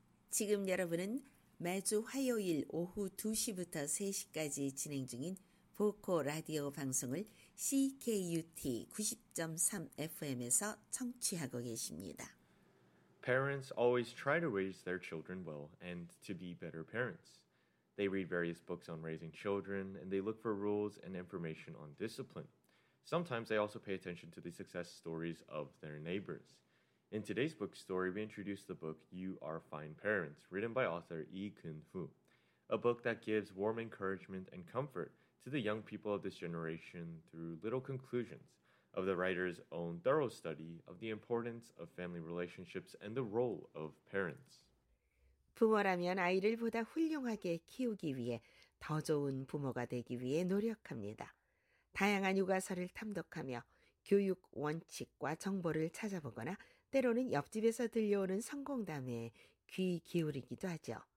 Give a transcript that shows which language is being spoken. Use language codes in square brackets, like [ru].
[ko] 지금 여러분은 매주 화요일 오후 2시부터 3시까지 진행 중인 보코 라디오 방송을 CKUT 90.3 FM에서 청취하고 계십니다. [en] Parents always try to raise their children well and to be better parents. They read various books on raising children, and they look for rules and information on discipline. Sometimes they also pay attention to the success stories of their neighbors. In today's book story, we introduce the book You Are Fine Parents, written by author Lee Kun-hu, a book that gives warm encouragement and comfort to the young people of this generation through little conclusions of the writer's own thorough study of the importance of family relationships and the role of parents. [ko] 부모라면 아이를 보다 훌륭하게 키우기 위해 더 좋은 부모가 되기 위해 노력합니다. 다양한 육아서를 탐독하며 교육 원칙과 정보를 찾아보거나 때로는 옆집에서 들려오는 성공담에 귀 기울이기도 하죠.